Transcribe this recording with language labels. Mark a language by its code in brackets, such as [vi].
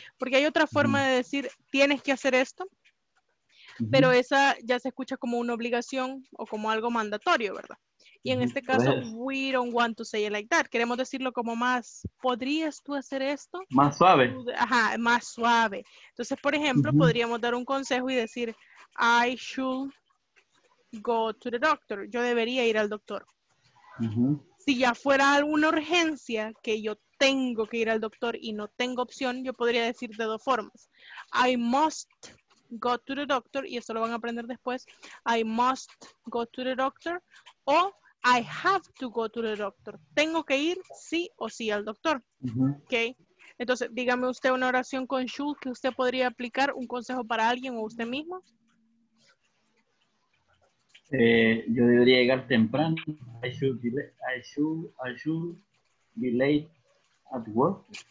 [es] Porque hay otra forma de decir, tienes que hacer esto. Pero esa ya se escucha como una obligación o como algo mandatorio, ¿verdad? Y en este caso, [en] we don't want to say it like that. [es] Queremos decirlo como más, ¿podrías tú hacer esto? Más suave. Ajá, más suave. Entonces, por ejemplo, podríamos dar un consejo y decir, [en] I should go to the doctor. [es] Yo debería ir al doctor. Si ya fuera alguna urgencia que yo tengo que ir al doctor y no tengo opción, yo podría decir de dos formas. [en] I must go to the doctor, [es] y eso lo van a aprender después. [en] I must go to the doctor. [es] O [en] I have to go to the doctor. [es] Tengo que ir sí o sí al doctor. Okay. Entonces, dígame usted una oración con [en] should [es] que usted podría aplicar, un consejo para alguien o usted mismo. Yo debería llegar temprano. [en] I should be late at work.